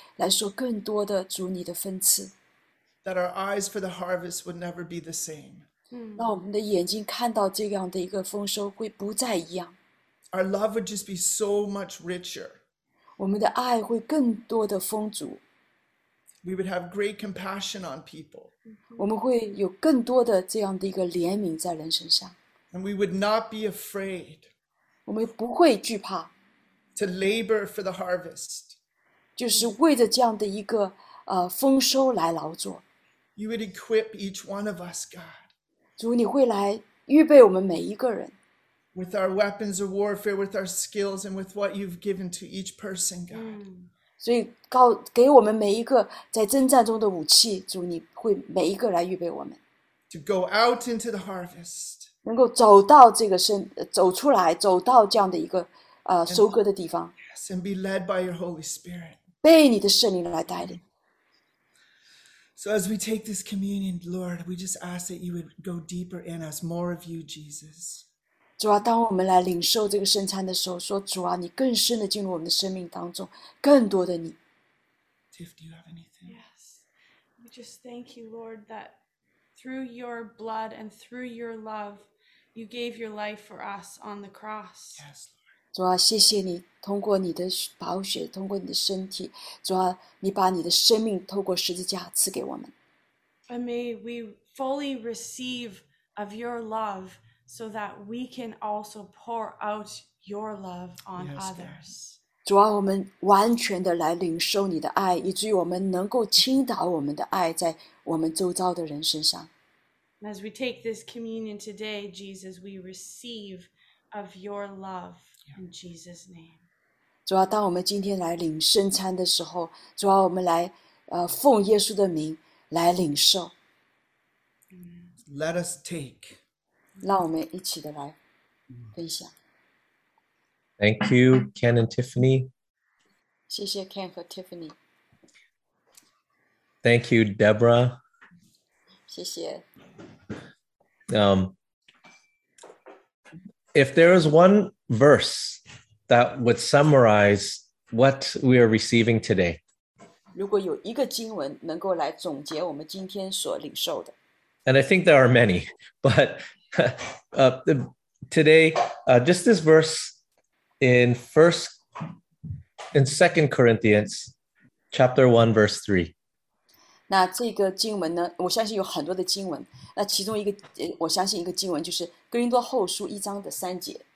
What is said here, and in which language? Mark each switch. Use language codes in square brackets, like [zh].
[zh] 主啊，我们为着这个家，这个身体来说更多的主你的分赐。 [en] That our eyes for the harvest would never be the same. [zh] 让我们的眼睛看到这样的一个丰收会不再一样。 [en] Our love would just be so much richer. [zh] 我们的爱会更多的丰足。 [en] We would have great compassion on people. [zh] 我们会有更多的这样的一个怜悯在人身上。 [en] And we would not be afraid. [zh] 我们不会惧怕。 [en] To labor for the harvest. [zh] 就是为着这样的一个丰收来劳作。 [en] You would equip each one of us, God. [zh] 主，你会来预备我们每一个人。 [en] With our weapons of warfare, with our skills, and with what you've given to each person, God. [zh] 所以告给我们每一个在征战中的武器，主，你会每一个来预备我们。 [en] To go out into the harvest. [zh] 能够走到这个生，走出来，走到这样的一个收割的地方。 [en] Yes, and be led by your Holy Spirit. [zh] 被你的圣灵来带领。 [en] So as we take this communion, Lord, we just ask that you would go deeper in us, more of you, Jesus. [zh] 主啊，当我们来领受这个圣餐的时候，说主啊，你更深的进入我们的生命当中，更多的你。 [en] Tiff, do you have anything? Yes. We just thank you, Lord, that through your blood and through your love, you gave your life for us on the cross. Yes, Lord. [zh] 主啊，谢谢你通过你的宝血，通过你的身体，主啊，你把你的生命透过十字架赐给我们。 [en] And may we fully receive of your love, so that we can also pour out your love on others. [zh] 主啊，我们完全的来领受你的爱，以至于我们能够倾倒我们的爱在我们周遭的人身上。 [en] And as we take this communion today, Jesus, we receive of your love. In Jesus' name. [zh] 主啊，当我们今天来领圣餐的时候，主啊，我们来奉耶稣的名来领受。 [en] Let us take. [zh] 让我们一起的来分享。 [en] Thank you, Ken and Tiffany. [zh] 谢谢 Ken 和 Tiffany. [en] Thank you, Deborah. [zh] 谢谢。 [en] If there is one verse that would summarize what we are receiving today, [zh] 如果有一个经文能够来总结我们今天所领受的, [en] and I think there are many, but today, just this verse in 2 Corinthians chapter 1, verse 3. [zh] 那这个经文呢，我相信有很多的经文。那其中一个，我相信一个经文就是《哥林多后书》一章的三节。